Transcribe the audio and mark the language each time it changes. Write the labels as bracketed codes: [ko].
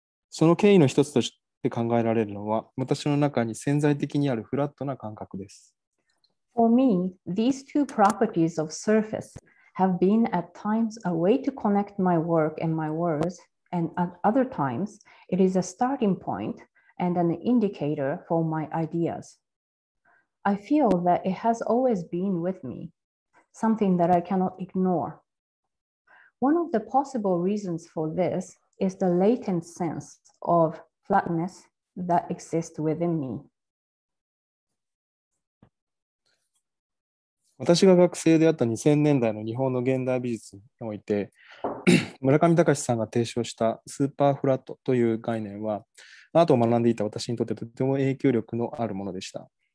[ja] その経緯の一つとして考えられるのは、私の中に潜在的にあるフラットな感覚です。 [en] For me, these two properties of surface have been at times a way to connect my work and my words, and at other times, it is a starting point and an indicator for my ideas. I feel that it has always been with me. Something that I cannot ignore. One of the possible reasons for this is the latent sense of flatness that exists within me. [ja] 私が学生であった2000年代の日本の現代美術において村上隆さんが提唱したスーパーフラットという概念はアートを学んでいた私にとってとても影響力のあるものでした。